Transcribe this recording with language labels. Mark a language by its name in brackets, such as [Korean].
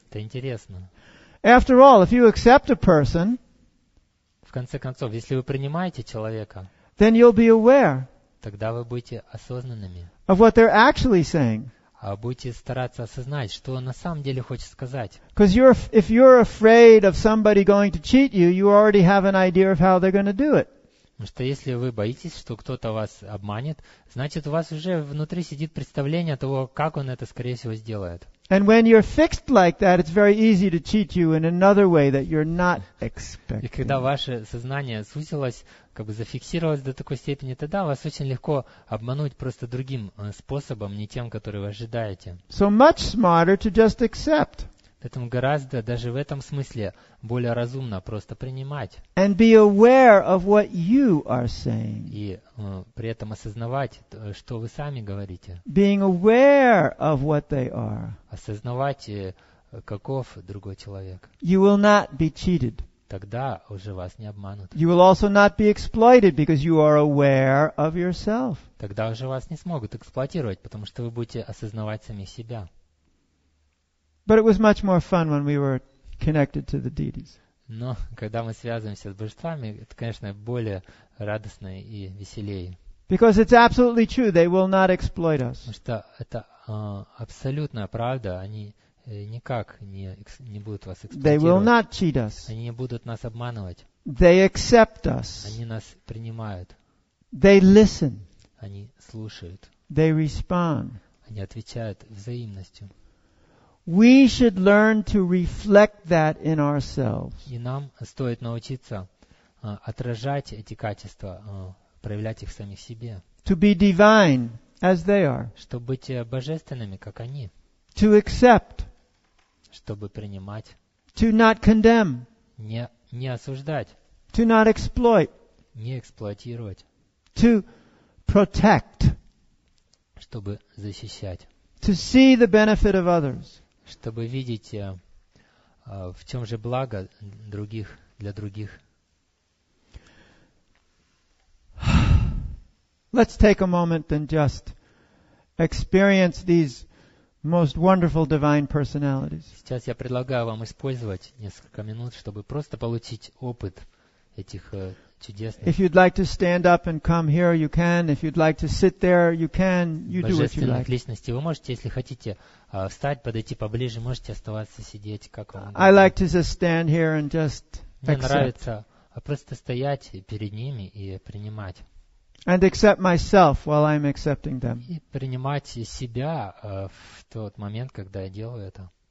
[Russian] Это интересно. [English] After all, if you accept a person, [Russian] в конце концов, если вы принимаете человека, [English] then you'll be aware. [Russian] Тогда вы будете осознанными. [English] Of what they're actually saying. [Russian] А будете стараться осознать, что он на самом деле хочет сказать. [English] Because if you're afraid of somebody going to cheat you, you already have an idea of how they're going to do it. [Russian] Потому что если вы боитесь, что кто-то вас обманет, значит, у вас уже внутри сидит представление того, как он это, скорее всего, сделает. [English] And when you're fixed like that, it's very easy to cheat you in another way that you're not expecting. [Russian] И когда ваше сознание сузилось, как бы зафиксировалось до такой степени, тогда вас очень легко обмануть просто другим способом, не тем, который вы ожидаете. [English] So much smarter to just accept. [Russian] Поэтому гораздо даже в этом смысле более разумно просто принимать. [English] And be aware of what you are saying. [Russian] И при этом осознавать, то, что вы сами говорите. [English] Being aware of what they are. [Russian] Осознавать, каков другой человек. [English] You will not be cheated. [Russian] тогда уже вас не обманут. [English] You will also not be exploited because you are aware of yourself. [Russian] Тогда уже вас не смогут эксплуатировать, потому что вы будете осознавать сами себя. [English] But it was much more fun when we were connected to the deities. [Russian] Но когда мы связываемся с божествами, это, конечно, более радостно и веселее. [English] Because it's absolutely true, they will not exploit us. [Russian] Потому что это абсолютная правда, они никак не будут вас эксплуатировать. [English] They will not cheat us. [Russian] Они не будут нас обманывать. [English] They accept us. [Russian] Они нас принимают. [English] They listen. [Russian] Они слушают. [English] They respond. [Russian] Они отвечают взаимностью. [English] We should learn to reflect that in ourselves. [Russian] И нам стоит научиться отражать эти качества, проявлять их в самих себе. [English] To be divine as they are. [Russian] Чтобы быть божественными, как они. [English] To accept. [Russian] Чтобы принимать. [English] To not condemn. [Russian] Не осуждать. [English] To not exploit. [Russian] Не эксплуатировать. [English] To protect. [Russian] Чтобы защищать. [English] To see the benefit of others. [Russian] Чтобы видеть, в чем же благо других для других. [English] Let's take a moment and just experience these most wonderful divine personalities. [Russian] Сейчас я предлагаю вам использовать несколько минут, чтобы просто получить опыт этих чудесных. [English] If you'd like to stand up and come here, you can. If you'd like to sit there, you can. You do what you like. [Russian] Личности, вы можете, если хотите, встать, подойти поближе, можете оставаться сидеть, как вам. [English] I like to just stand here and just accept. [Russian] Мне нравится просто стоять перед ними и принимать. [English] And accept myself while I'm accepting them. [Russian] И принимать себя в тот момент, когда я делаю это.